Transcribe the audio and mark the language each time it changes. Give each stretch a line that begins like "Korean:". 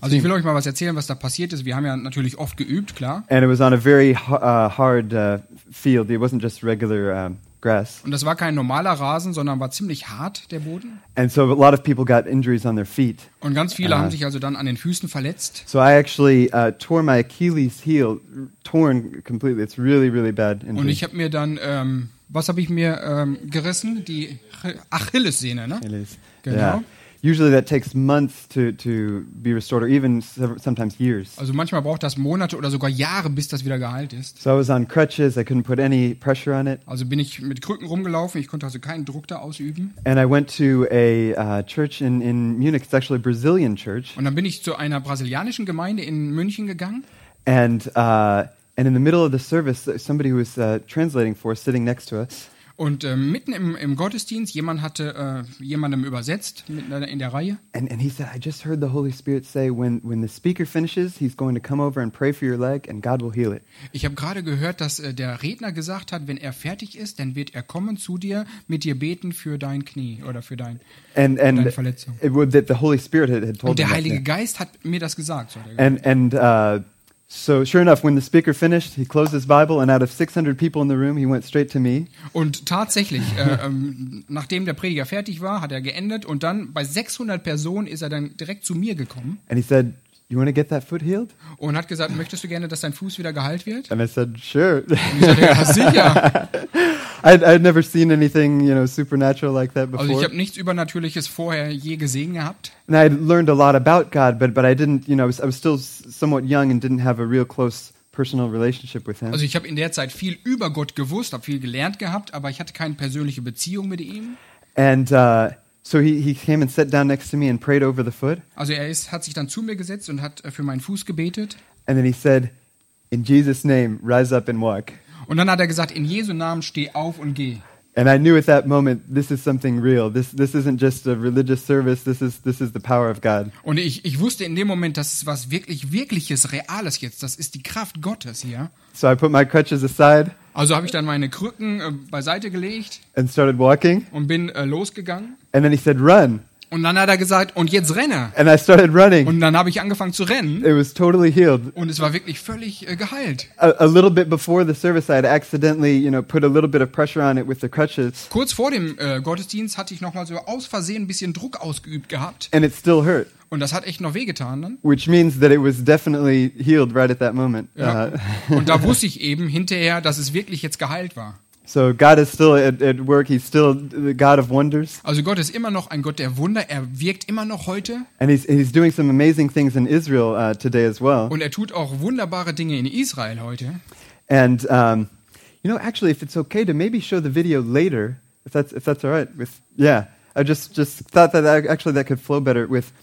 German: Also ich will euch mal was erzählen, was da passiert ist. Wir haben ja natürlich oft geübt, klar.
English: And it was on a very hard field. It wasn't just regular grass.
German: Und das war kein normaler Rasen, sondern war ziemlich hart der Boden.
English: And so a lot of people got injuries on their feet.
German: Und ganz viele haben sich also dann an den Füßen verletzt.
English: So I actually tore my Achilles heel, torn completely. It's really really bad injury.
German: Und ich habe mir dann was habe ich mir gerissen? Die Achillessehne, ne? Achilles. Genau. Yeah.
English: Usually that takes months to be restored or even sometimes years.
German: Also manchmal braucht das Monate oder sogar Jahre, bis das wieder geheilt ist.
English: So I was on crutches, I couldn't put any pressure on it.
German: Also bin ich mit Krücken rumgelaufen, ich konnte also keinen Druck da ausüben.
English: And I went to a church in Munich, it's actually a Brazilian church.
German: Und dann bin ich zu einer brasilianischen Gemeinde in München gegangen.
English: And in the middle of the service, somebody who was translating for us, sitting next to us.
German: Und mitten im Gottesdienst, jemand hatte jemandem übersetzt mitten in der Reihe.
English: And he said, I just heard the Holy Spirit say, when the speaker finishes, he's going to come over and pray for your leg, and God will heal it.
German: Ich habe gerade gehört, dass der Redner gesagt hat, wenn er fertig ist, dann wird er kommen zu dir, mit dir beten für dein Knie oder für deine Verletzung.
English: It would that the Holy Spirit had told
German: und der Heilige Geist hat mir das gesagt. So hat er gesagt.
English: So sure enough, when the speaker finished, he closed his Bible, and out of 600 people in the room, he went straight to me.
German: Und tatsächlich, nachdem der Prediger fertig war, hat er geendet, und dann bei 600 Personen ist er dann direkt zu mir gekommen.
English: And he said, "You want to get that foot healed?"
German: Und hat gesagt, möchtest du gerne, dass dein Fuß wieder geheilt wird?
English: And I said, "Sure."
German: Und ich sagte, ja, sicher.
English: I'd never seen anything, you know, supernatural like that before.
German: Also ich habe nichts Übernatürliches vorher je gesehen gehabt.
English: And I learned a lot about God, but I didn't, you know, I was still somewhat young and didn't have a real close personal relationship with him.
German: Also ich habe in der Zeit viel über Gott gewusst, habe viel gelernt gehabt, aber ich hatte keine persönliche Beziehung mit ihm.
English: And so he came and sat down next to me and prayed over the foot.
German: Also hat sich dann zu mir gesetzt und hat für meinen Fuß gebetet.
English: And then he said, "In Jesus' name, rise up and walk."
German: Und dann hat er gesagt, in Jesu Namen steh auf und geh.
English: And I knew at that moment, this is something real. This isn't just a religious service. This is the power of God.
German: Und ich wusste in dem Moment, das ist was wirklich wirkliches, reales jetzt. Das ist die Kraft Gottes hier.
English: So I put my crutches aside.
German: Also habe ich dann meine Krücken beiseite gelegt.
English: And started walking.
German: Und bin losgegangen.
English: And then he said, "Run."
German: Und dann hat er gesagt, und jetzt renne.
English: And I started running.
German: Und dann habe ich angefangen zu rennen.
English: It was totally healed.
German: Und es war wirklich völlig geheilt.
English: A little bit before the service, I had accidentally, you know, put a little bit of pressure on it with the crutches.
German: Kurz vor dem Gottesdienst hatte ich nochmal so aus Versehen ein bisschen Druck ausgeübt gehabt.
English: And it still hurt.
German: Und das hat echt noch wehgetan dann.
English: Which means that it was definitely healed right at that moment.
German: Ja. Und da wusste ich eben hinterher, dass es wirklich jetzt geheilt war.
English: So God is still at work. He's still the God of wonders.
German: Also Gott ist immer noch ein Gott der Wunder. Er wirkt immer noch heute.
English: And he's doing some amazing things in Israel today as well.
German: Und er tut auch wunderbare Dinge in Israel heute.
English: And you know, actually, if it's okay to maybe show the video later, if that's all right with, yeah, I just thought that actually that could flow better with.